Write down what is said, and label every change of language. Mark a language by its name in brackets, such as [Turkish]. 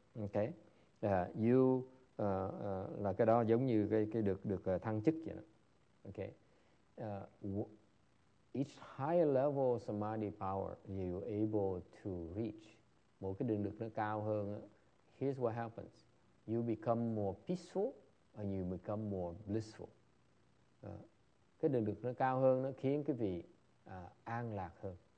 [Vietnamese] Okay, là cái đó giống như cái được thăng chức vậy đó. [English] Okay, each higher level of samadhi power you able to reach, [Vietnamese] một cái định lực nó cao hơn. [English] Here's what happens. You become more peaceful and you become more blissful. [Vietnamese] Cái định lực nó cao hơn nó khiến quý vị an lạc hơn.